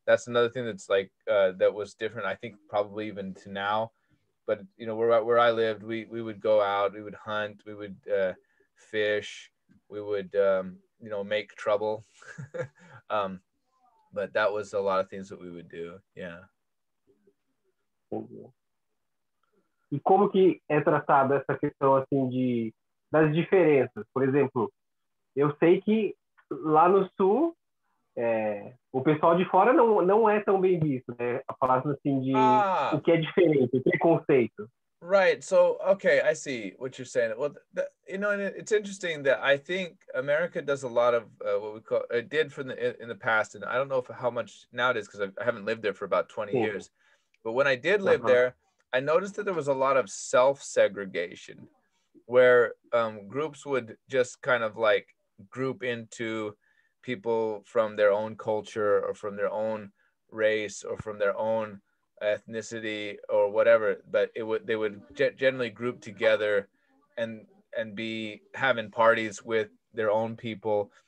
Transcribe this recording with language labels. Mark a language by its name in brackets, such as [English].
[English] That's another thing that's like, that was different, I think, probably even to now. But, you know, where I lived, we would go out, we would hunt, we would fish, we would, you know, make trouble. but that was a lot of things that we would do. Yeah. [Portuguese] E como que é tratada essa questão, assim, das diferenças? Por exemplo, eu sei que lá no sul, o pessoal de fora não é tão bem visto, né? A palavra assim de o que é diferente, o preconceito. [English] Right. So, okay, I see what you're saying. Well, you know, and it's interesting that I think America does a lot of what we call it did from in the past, and I don't know how much now it is because I haven't lived there for about 20 years. But when I did live there, I noticed that there was a lot of self-segregation, where groups would just kind of like group into people from their own culture or from their own race or from their own ethnicity or whatever, but they would generally group together and be having parties with their own people.